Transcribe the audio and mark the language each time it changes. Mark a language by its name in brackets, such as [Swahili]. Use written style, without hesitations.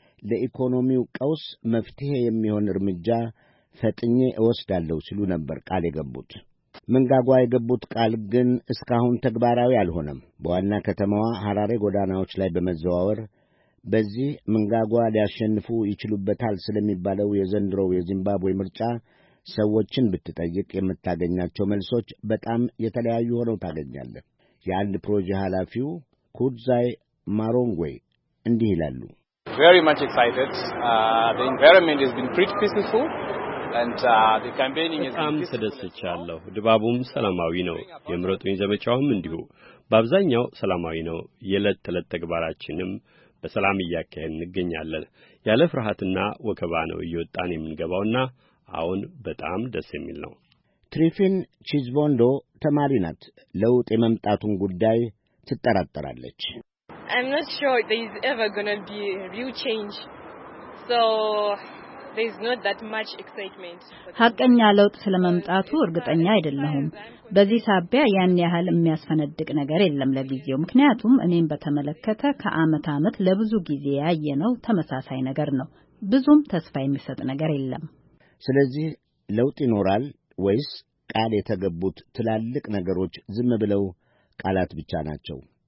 [Amharic] ለኢኮኖሚው ቀውስ መፍትሔ የሚሆን እርምጃ ፈጥኜ እወስዳለሁ ሲሉ ነበር ቃል የገቡት። ምንጋጓ የገቡት ቃል ግን እስካሁን ተግባራዊ አልሆነም። በዋና ከተማዋ ሐራሬ ጎዳናዎች ላይ በመዘዋወር በዚህ ምንጋጓ ሊያሸንፉ ይችሉበታል ስለሚባለው የዘንድሮው የዚምባብዌ ምርጫ ሰዎችን ብትጠይቅ የምታገኛቸው መልሶች በጣም የተለያዩ ሆነው ታገኛለህ። የአንድ ፕሮጀክት ኃላፊው ኩድዛይ ማሮንጎይ እንዲህ ይላሉ። [English] Very much excited. The environment has been pretty peaceful and the campaigning is [Amharic] በጣም ተደስቻለሁ። ድባቡም ሰላማዊ ነው። የምረጡኝ ዘመቻውም እንዲሁ በአብዛኛው ሰላማዊ ነው። የዕለት ተዕለት ተግባራችንም በሰላም እያካሄድ እንገኛለን። ያለ ፍርሃትና ወከባ ነው እየወጣን የምንገባውና አሁን በጣም ደስ የሚል ነው። ትሪፊን ቺዝቦንዶ ተማሪ ናት። ለውጥ የመምጣቱን ጉዳይ ትጠራጠራለች። [English] I'm not sure there's ever going to be a real change. So there's not that much excitement. [Amharic] ሀቀኛ ለውጥ ስለመምጣቱ እርግጠኛ አይደለሁም። በዚህ ሳቢያ ያን ያህል የሚያስፈነድቅ ነገር የለም ለጊዜው። ምክንያቱም እኔም በተመለከተ ከአመት አመት ለብዙ ጊዜ ያየነው ተመሳሳይ ነገር ነው። ብዙም ተስፋ የሚሰጥ ነገር የለም። ስለዚህ ለውጥ ይኖራል ወይስ ቃል የተገቡት ትላልቅ ነገሮች ዝም ብለው ቃላት ብቻ ናቸው?